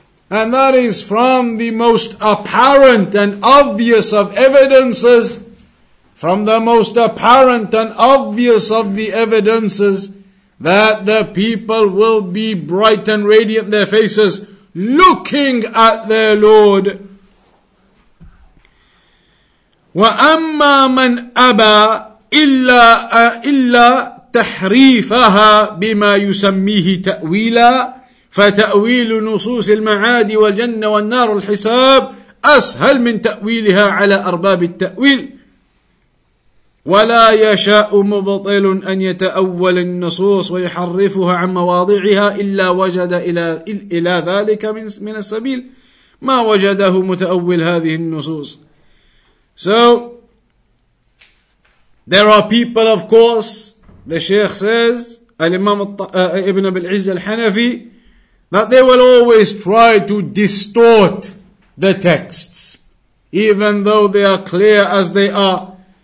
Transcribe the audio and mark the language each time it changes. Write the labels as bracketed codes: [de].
[en] And that is from the most apparent and obvious of evidences, from the most apparent and obvious of the evidences, that the people will be bright and radiant their faces, looking at their Lord. [ar] وَأَمَّا مَنْ أَبَى إِلَّا تحريفها بما يسميه تأويلا فتأويل نصوص المعاد والجنة والنار والحساب أسهل من تأويلها على أرباب التأويل ولا يشاء مبطل أن يتأول النصوص ويحرفها عن مواضعها إلا وجد إلى ذلك من السبيل ما وجده متأول هذه النصوص. [en] So there are people, of course, the Shaykh says, Al-Imam Ibn Abil-Izz Al-Hanafi, that they will always try to distort the texts, even though they are clear as they are.